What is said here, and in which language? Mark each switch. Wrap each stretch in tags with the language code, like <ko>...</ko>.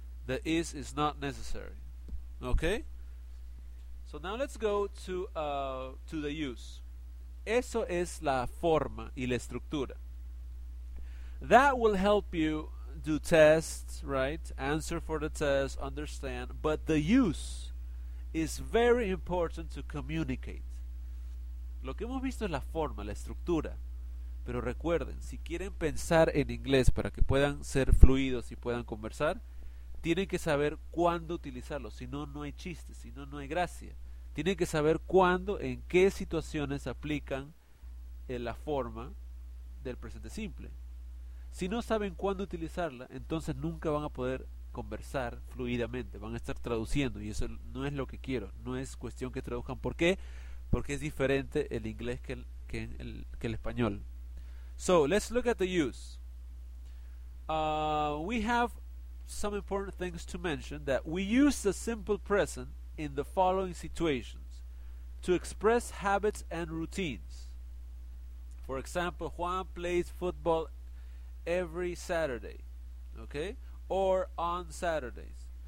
<en>The is not necessary. Okay? So now let's go to the use.</en> <es>Eso es la forma y la estructura.</es> <en>That will help you do tests, right? Answer for the test, understand. But the use is very important to communicate.</en> <es>Lo que hemos visto es la forma, la estructura. Pero recuerden, si quieren pensar en inglés para que puedan ser fluidos y puedan conversar, tienen que saber cuándo utilizarlo. Si no, no hay chiste, si no, no hay gracia. Tienen que saber cuándo, en qué situaciones aplican la forma del presente simple. Si no saben cuándo utilizarla, entonces nunca van a poder conversar fluidamente. Van a estar traduciendo y eso no es lo que quiero. No es cuestión que traduzcan. ¿Por qué? Porque es diferente el inglés que el español.</es> <en>So, let's look at the use. We have some important things to mention that we use the simple present in the following situations to express habits and routines. For example, Juan plays football every Saturday, okay, or on Saturdays.</en>